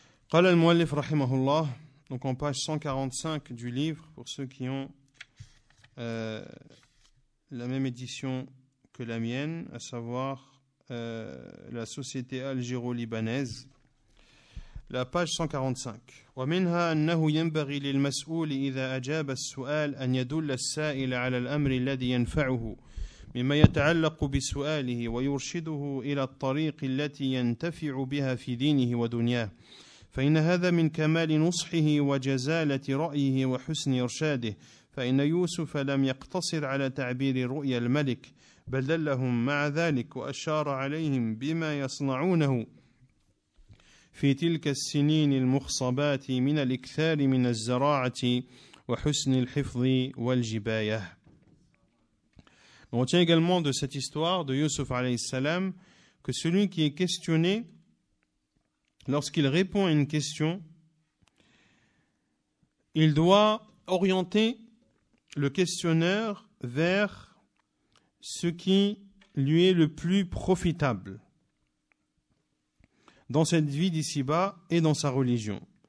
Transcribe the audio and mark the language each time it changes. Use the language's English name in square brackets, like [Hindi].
[Arabic] Qala al-Mu'allif rahimahullah, [French] donc en page 145 du livre, pour ceux qui ont la même édition que la mienne, à savoir la société algéro-libanaise. La page 145. [Arabic] وَمِنْهَا أَنَّهُ يَنْبَغِي لِلْمَسْؤُولِ إِذَا أَجَابَ السُّؤَالِ أَنْ يَدُلَّ السَّائِلَ عَلَى الْأَمْرِ الَّذِي يَنْفَعُهُ مما يتعلق بسؤاله ويرشده إلى الطريق التي ينتفع بها في دينه ودنياه فإن هذا من كمال نصحه وجزالة رأيه وحسن إرشاده فإن يوسف لم يقتصر على تعبير رؤيا الملك بل دلهم مع ذلك وأشار عليهم بما يصنعونه في تلك السنين المخصبات من الإكثار من الزراعة وحسن الحفظ والجباية. [French] On retient également de cette histoire de Yusuf alayhi salam que celui qui est questionné, lorsqu'il répond à une question, il doit orienter le questionneur vers ce qui lui est le plus profitable dans cette vie d'ici-bas et dans sa religion.